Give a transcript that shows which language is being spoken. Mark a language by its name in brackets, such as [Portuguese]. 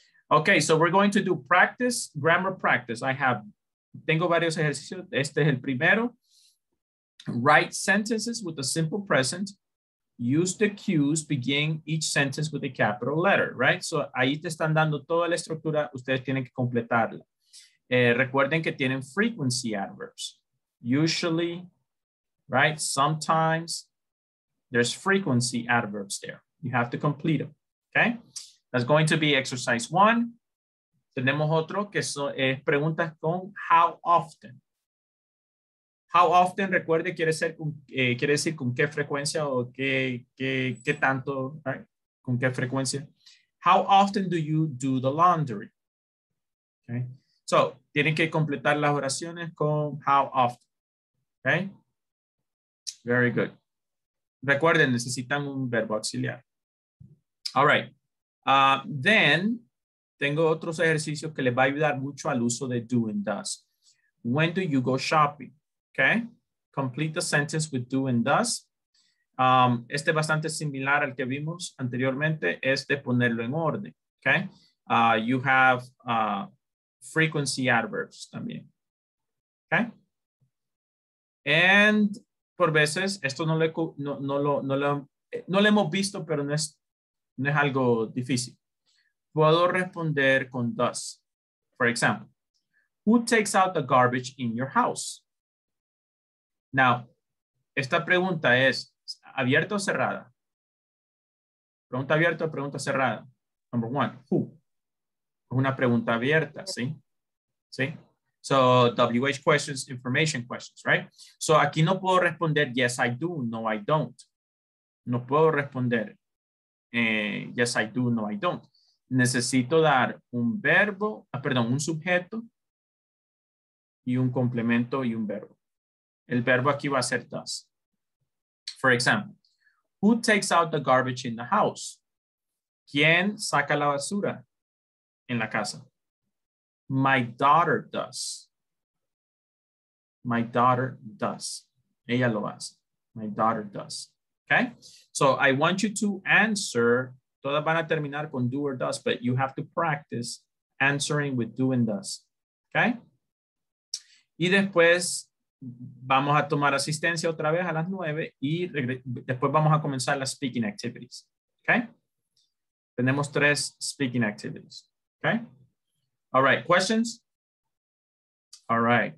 [English] Okay, so we're going to do practice, grammar practice. [Spanish] Tengo varios ejercicios. Este es el primero. [English] Write sentences with a simple present. Use the cues. Begin each sentence with a capital letter, right? [Spanish] So ahí te están dando toda la estructura. Ustedes tienen que completarla. Recuerden que tienen frequency adverbs. [English] Usually, right? Sometimes, there's frequency adverbs there. You have to complete them. Okay, that's going to be exercise one. [Spanish] Tenemos otro que es preguntas con [English] how often. [Spanish] How often, recuerde, quiere decir con qué frecuencia o qué tanto, right? Con qué frecuencia. [English] How often do you do the laundry? Okay, so [Spanish] tienen que completar las oraciones con [English] how often. Okay, very good. [Spanish] Recuerden, necesitan un verbo auxiliar. [English] All right, then [Spanish] tengo otros ejercicios que les va a ayudar mucho al uso de do and does. [English] When do you go shopping? Okay, complete the sentence with do and does. [Spanish] Este es bastante similar al que vimos anteriormente, es de ponerlo en orden. [English] Okay, you have frequency adverbs también. [Spanish] Okay, and por veces, esto no lo hemos visto, pero no es. No es algo difícil. Puedo responder con does. [English] For example, who takes out the garbage in your house? [Spanish] Now, esta pregunta es abierta o cerrada. Pregunta abierta o pregunta cerrada. [English] Number one, who? [Spanish] Es una pregunta abierta, ¿sí? ¿Sí? [English] So, WH questions, information questions, right? So, [Spanish] aquí no puedo responder [English] yes, I do, no, I don't. [Spanish] No puedo responder. [English] Yes, I do, no, I don't. [Spanish] Necesito dar un verbo, perdón, un sujeto y un complemento y un verbo. El verbo aquí va a ser does. [English] For example, who takes out the garbage in the house? [Spanish] ¿Quién saca la basura en la casa? [English] My daughter does. My daughter does. [Spanish] Ella lo hace. [English] My daughter does. Okay, so I want you to answer. [Spanish] Todas van a terminar con [English] do or does, but you have to practice answering with do and does. Okay. [Spanish] Y después vamos a tomar asistencia otra vez a las 9 y después vamos a comenzar las speaking activities. [English] Okay. Tenemos 3 speaking activities. Okay. All right. Questions? All right.